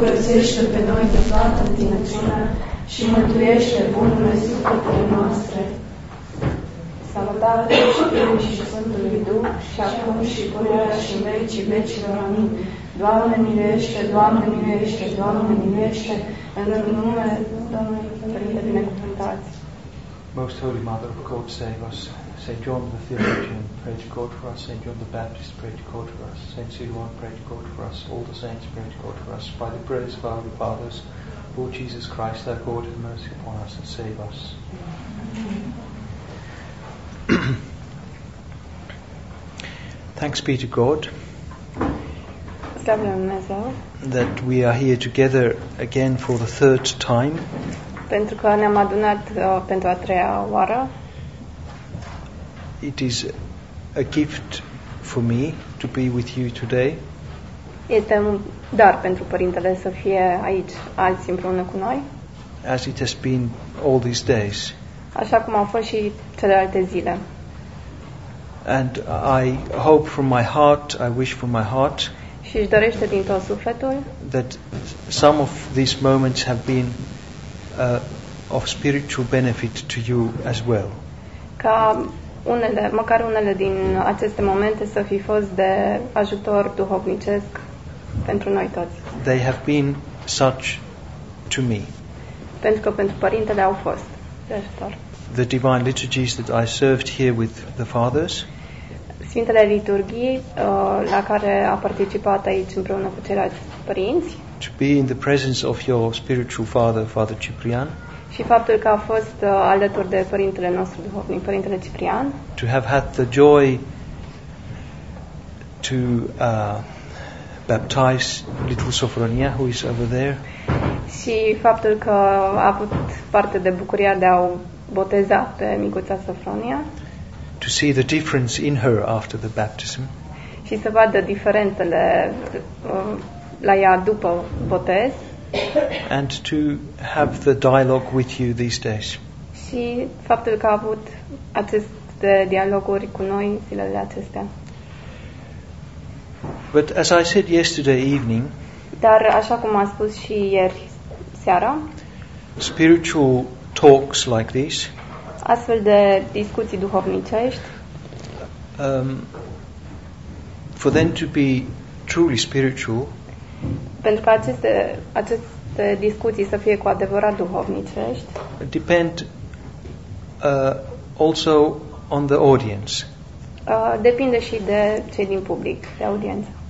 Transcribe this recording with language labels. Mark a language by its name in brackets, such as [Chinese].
[Romanian] dosežete pe noi de toată tinețimea și mântuiește bunul Dumnezeu copilul noastre. Salutare și Fiului și Sfântului Duh, și acum și pururea și în vecii vecilor. Amin. Doamne miluiește, Doamne miluiește, Doamne miluiește, în numele Domnului, Părinte binecuvântați. [English] Most Holy Mother of God, save us. St. John the Theologian, pray to God for us. St. John the Baptist, pray to God for us. St. Siloam, pray to God for us. All the saints, pray to God for us. By the prayers of our fathers, Lord Jesus Christ, our God, have mercy upon us and save us. Thanks be to God that we are here together again for the third time. [Romanian] Pentru că ne-am adunat pentru a treia oară. [English] It is a gift for me to be with you today. [Romanian] Este un dar pentru părintele să fie aici azi împreună cu noi. [English] As it has been all these days. [Romanian] Așa cum au fost și celelalte zile. [English] And I hope from my heart, I wish from my heart. [Romanian] Și își dorește din tot sufletul. [English] That some of these moments have been of spiritual benefit to you as well. [Romanian] Ca unele, măcar unele din aceste momente să fi fost de ajutor duhovnicesc pentru noi toți. [English] They have been such to me. [Romanian] Pentru că pentru părintele au fost de ajutor. [English] The divine liturgies that I served here with the fathers. [Romanian] Sfintele liturghii la care a participat aici împreună cu ceilalți părinți. [English] To be in the presence of your spiritual father, Father Ciprian. [Romanian] Și faptul că a fost alături de părintele nostru duhovnic, părintele Ciprian. [English] To have had the joy to baptize little Sofronia, who is over there. [Romanian] Și faptul că a avut parte de bucuria de a o boteza pe micuța Sofronia. [English] To see the difference in her after the baptism. [Romanian] Și să vadă diferențele la ea după botez. [English] And to have the dialogue with you these days. [Romanian] Și faptul că a avut aceste dialoguri cu noi zilele acestea. [English] But as I said yesterday evening, [Romanian] dar așa cum am spus și ieri seara, [English] spiritual talks like this, [Romanian] astfel de discuții duhovnicești, [English] for them to be truly spiritual, [Romanian] pentru că aceste discuții să fie cu adevărat duhovnicești, [English] depend also on the audience. [Romanian] Depinde și de cei din public, de audiență.